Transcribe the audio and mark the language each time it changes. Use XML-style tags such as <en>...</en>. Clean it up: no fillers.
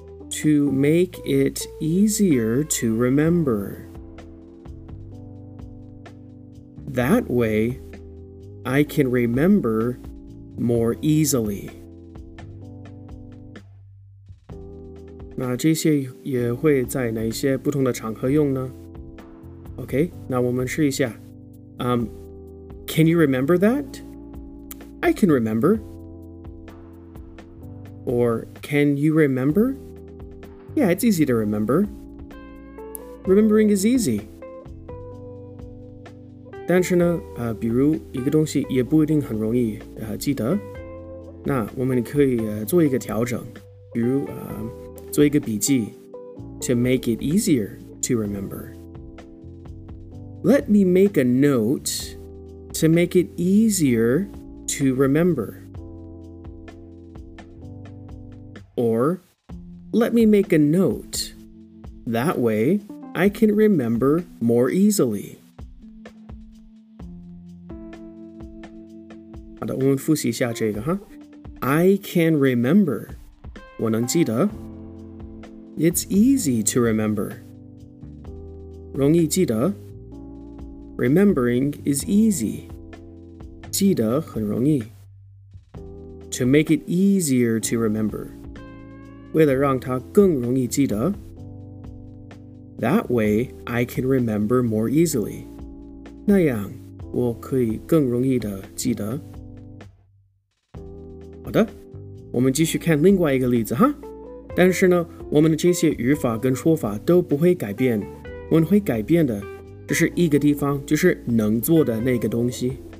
<en>To make it easier to remember. That way, I can remember more easily.</en> <zh>那这些也会在哪些不同的场合用呢？</zh> <en>OK,</en> <zh>那我们试一下。</zh> <en>Can you remember that? I can remember. Or can you remember? Yeah, it's easy to remember. Remembering is easy.</en> <zh>但是呢，比如一个东西也不一定很容易记得。那我们可以做一个调整，比如做一个笔记</zh> <en>to make it easier to remember. Let me make a note to make it easier to remember. Or, let me make a note. That way, I can remember more easily.</en> <zh>好的，我们复习一下这个哈。</zh> <en>I can remember.</en> <zh>我能记得。</zh> <en>It's easy to remember.</en> <zh>容易记得。</zh> <en>Remembering is easy.</en> <zh>记得很容易。</zh> <en>To make it easier to remember.</en> <zh>为了让它更容易记得。</zh> <en>That way, I can remember more easily.</en> <zh>那样我可以更容易的记得。好的，我们继续看另外一个例子哈。但是呢，我们的这些语法跟说法都不会改变，我们会改变的就是一个地方，就是能做的那个东西。</zh>